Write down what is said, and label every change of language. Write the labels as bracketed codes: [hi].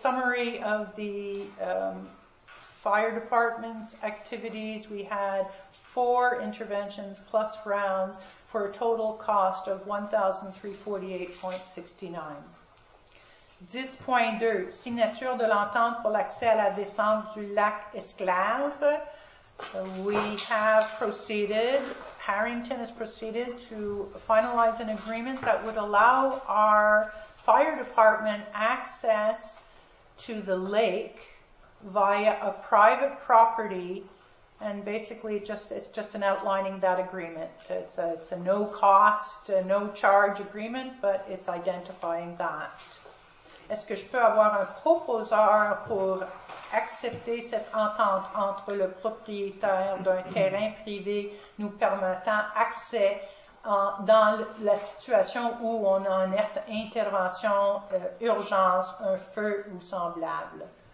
[en] So, summary of the fire department's activities. We had 4 interventions plus rounds for a total cost of $1,348.69. [fr] 10.2, signature de l'entente pour l'accès à la descente du lac Esclave. [en] We have proceeded, Harrington has proceeded to finalize an agreement that would allow our fire department access to the lake via a private property, and basically it's just an outlining that agreement. It's a no cost, no charge agreement, but it's identifying that. [fr] Est-ce que je peux avoir un proposeur pour accepter cette entente entre le propriétaire d'un terrain privé nous permettant accès dans la situation où on a une intervention, urgence, un feu ou semblable?